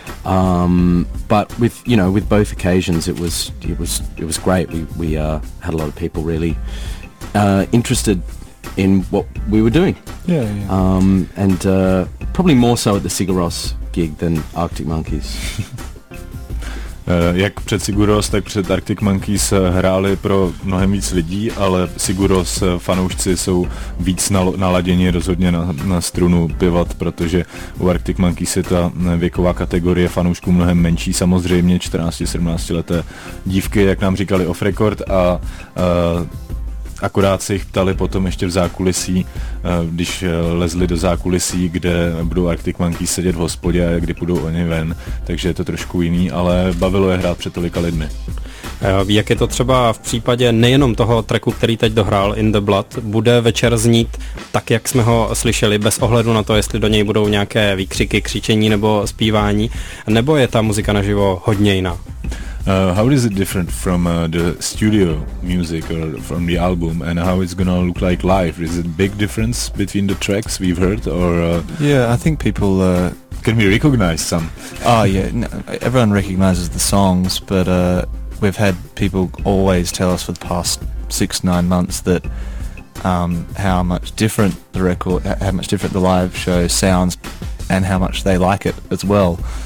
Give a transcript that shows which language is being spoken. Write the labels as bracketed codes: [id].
[en] But with, you know, with both occasions, it was great. We had a lot of people really interested in what we were doing. Yeah. Probably more so at the Sigur Rós gig than Arctic Monkeys. [cs] Jak před Sigur Rós, tak před Arctic Monkeys hráli pro mnohem víc lidí, ale Sigur Rós fanoušci jsou víc naladěni rozhodně na strunu pivat, protože u Arctic Monkeys je ta věková kategorie fanoušků mnohem menší, samozřejmě 14-17 leté dívky, jak nám říkali [en] off record, [cs] a akorát se jich ptali potom ještě v zákulisí, když lezli do zákulisí, kde budou Arctic Monkeys sedět v hospodě a kdy půjdou oni ven, takže je to trošku jiný, ale bavilo je hrát před tolika lidmi. Jak je to třeba v případě nejenom toho tracku, který teď dohrál, In The Blood, bude večer znít tak, jak jsme ho slyšeli, bez ohledu na to, jestli do něj budou nějaké výkřiky, křičení nebo zpívání, nebo je ta muzika naživo hodně jiná? [en] How is it different from the studio music or from the album, and how it's gonna look like live? Is it a big difference between the tracks we've heard, or? Yeah, I think people can we recognize some? Oh yeah, everyone recognizes the songs, but we've had people always tell us for the past 6-9 months that how much different the live show sounds, and how much they like it as well.